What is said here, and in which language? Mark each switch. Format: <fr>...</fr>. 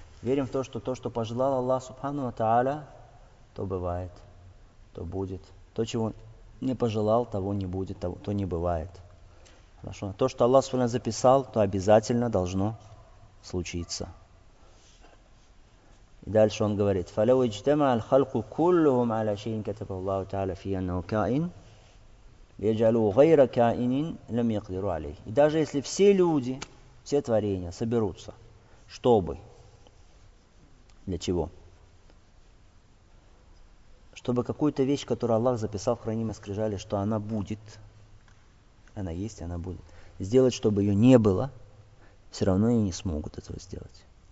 <ru>Верим в то, что пожелал Аллах Субхану ва Тааля, то бывает. То будет. То, чего не пожелал, того не будет, то не бывает. Хорошо. То, что Аллах Субхану записал, то обязательно должно случиться. И дальше он говорит,</ru> <ar>فَلَوْ اجْتَمَعَ الْخَلْقُ كُلُّهُمْ عَلَى شَيْءٍ كَتَبَ اللَّهُ تَعَالَى فِي أَنَّهُ كَائِنٍ يَجْعَلُوا غَيْرَ كَائِنٍ لَمْ يَقْدِرُوا عَلَيْهِ.</ar> <ru>И даже если все люди, все творения соберутся, чтобы, для чего? Чтобы какую-то вещь, которую Аллах записал в хранимой скрижали, что она будет, она есть, она будет, сделать, чтобы ее не было, все равно они не смогут этого сделать.</ru>